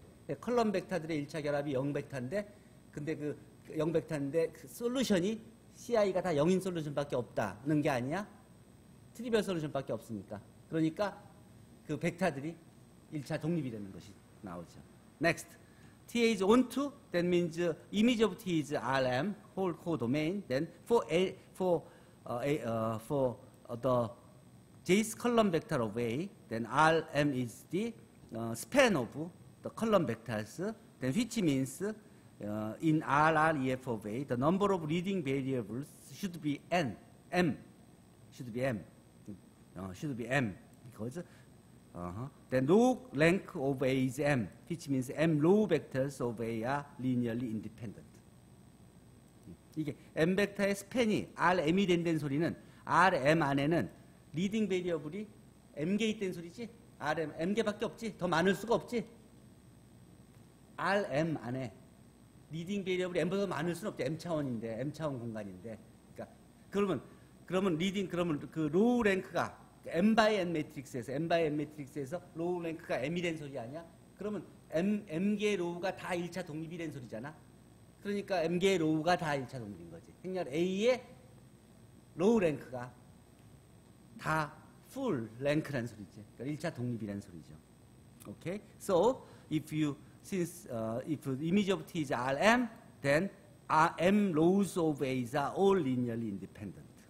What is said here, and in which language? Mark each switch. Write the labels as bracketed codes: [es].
[ko] 네, 컬럼 벡터들의 1차 결합이 0 벡터인데 근데 그 0 벡터인데 그 솔루션이 CI가 다 0인 솔루션밖에 없다는 게 아니야. 트리벌 솔루션밖에 없으니까. 그러니까 그 벡터들이 1차 독립이 되는 것이 나오죠. [en] Next. TA is onto, that means image of T is RM, whole core domain, then for A, for the jth column vector of A, then RM is the span of the column vectors, then which means in RREF of A, the number of leading variables should be N, M, should be M, should be M, because then row rank of A is M, which means M row vectors of A are linearly independent. [ko] 이게 m 벡터의 스팬이 rm이 된다는 소리는 rm 안에는 리딩 베리어블이 m개 있다는 소리지. rm m개밖에 없지. 더 많을 수가 없지. rm 안에 리딩 베리어블이 m보다 많을 수는 없지. m 차원인데 m 차원 공간인데. 그러니까 그러면 리딩 그러면 그 로우 랭크가 m 바이 n 매트릭스에서 m 바이 n 매트릭스에서 로우 랭크가 m이 된 소리 아니야? 그러면 m개 로우가 다 1차 독립이 된 소리잖아. 그러니까 M계의 로우가 다 1차 독립인 거지. 행렬 A의 로우 랭크가 다 풀 랭크라는 소리지. 그러니까 1차 독립이라는 소리죠. 오케이? Okay? [en] So, if you, since, if image of T is Rm, then M rows of A are all linearly independent.